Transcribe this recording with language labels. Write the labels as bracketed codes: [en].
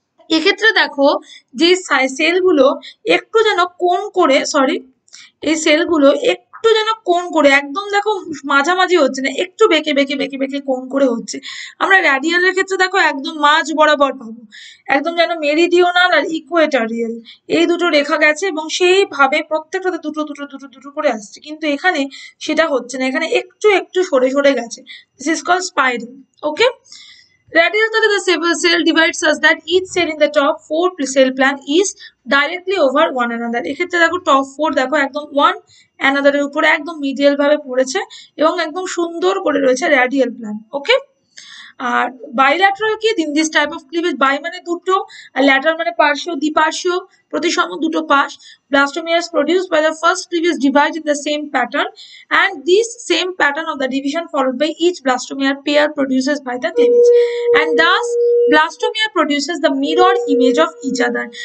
[bn] এক্ষেত্রে দেখো যে সেলগুলো একটু যেন কোণ করে, সরি, এই সেলগুলো একটু যেন কোণ করে, একদম দেখো মাঝামাঝি হচ্ছে না, একটু বেঁকে বেঁকে বেঁকে বেঁকে কোণ করে হচ্ছে। আমরা র্যাডিয়ালের ক্ষেত্রে দেখো একদম মাঝ বরাবর পাবো, একদম যেন মেরিডিওনাল আর ইকুয়েটোরিয়াল এই দুটো রেখা গেছে এবং সেইভাবে প্রত্যেকটাতে দুটো দুটো দুটো দুটো করে আসছে, কিন্তু এখানে সেটা হচ্ছে না, এখানে একটু একটু সরে সরে গেছে। [en] This is call spiral, okay. Radial [bn] তাহলে [en] the cell divides such that each cell in the top four cell plan is directly over one another. [bn] এক্ষেত্রে দেখো top four দেখো একদম [en] one another [bn] এর উপরে একদম medial ভাবে পড়েছে এবং একদম সুন্দর করে রয়েছে radial plan, okay? আর বাইল্যাটারাল কি? দিন [en] this type of cleavage, [bn] by মানে দুটো, আর ল্যাটারাল মানে পার্শ্বীয়, দ্বিপার্শ্বীয়, প্রতিসম দুটো পাশ। [en] Blastomere produce by the first cleavage divide in the same pattern and this same pattern of the division followed by each blastomere pair produces by the cleavage and thus blastomere produces the mirror image of each other.